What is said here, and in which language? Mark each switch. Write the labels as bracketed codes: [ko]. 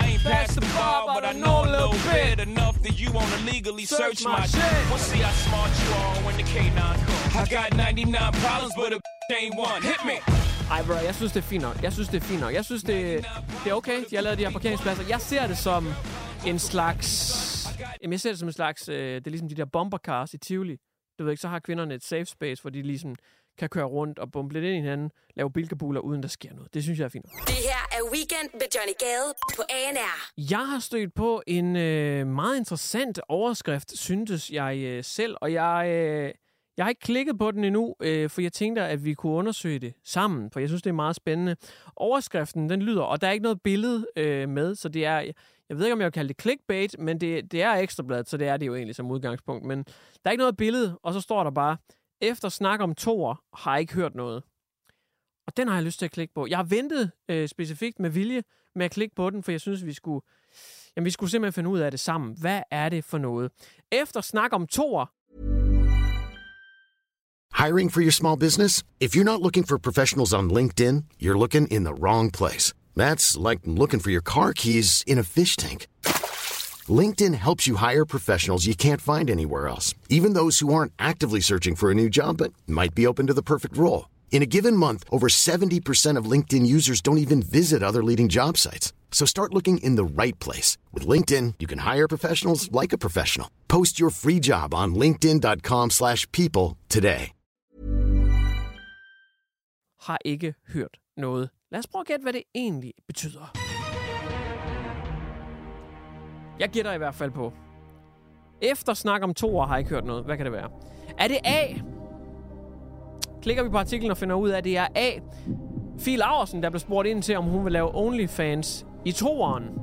[en] Pass the bar, but I know a little bit. Enough that you wanna legally search my shit. We'll see how smart you are when the K-9 comes. I got 99 problems, but a b**ch ain't one. Hit me! [da] Ej, bro, jeg synes, det er fint nok. Jeg synes, det er okay, de har lavet de her parkeringspladser. Jeg ser det som en slags... det er ligesom de der bombercars i Tivoli. Du ved ikke, så har kvinderne et safe space, hvor de ligesom kan køre rundt og bombe lidt ind i hinanden, lave bilkabuler, uden der sker noget. Det synes jeg er fint. Det her er Weekend med Johnny Gade på ANR. Jeg har stødt på en meget interessant overskrift, syntes jeg selv, og jeg har ikke klikket på den endnu, for jeg tænkte, at vi kunne undersøge det sammen, for jeg synes, det er meget spændende. Overskriften, den lyder, og der er ikke noget billede med, så det er... Jeg ved ikke, om jeg vil kalde det clickbait, men det er Ekstrabladet, så det er det jo egentlig som udgangspunkt. Men der er ikke noget billede, og så står der bare, efter snak om Thor, har jeg ikke hørt noget. Og den har jeg lyst til at klikke på. Jeg har ventet specifikt med vilje med at klikke på den, for jeg synes, vi skulle simpelthen finde ud af det sammen. Hvad er det for noget? Efter snak om Thor. [en] Hiring for your small business? If you're not looking for professionals on LinkedIn, you're looking in the wrong place. That's like looking for your car keys in a fish tank. LinkedIn helps you hire professionals you can't find anywhere else, even those who aren't actively searching for a new job but might be open to the perfect role. In a given month, over 70% of LinkedIn users don't even visit other leading job sites. So start looking in the right place. With LinkedIn, you can hire professionals like a professional. Post your free job on linkedin.com/people today. [da] Har ikke hørt noget. Lad os prøve at gætte, hvad det egentlig betyder. Jeg gætter i hvert fald på. Efter snak om Thor har jeg ikke hørt noget. Hvad kan det være? Er det A? Klikker vi på artiklen og finder ud af, at det er A. Fie Laursen, der blev spurgt ind til, om hun vil lave OnlyFans i Thor'en.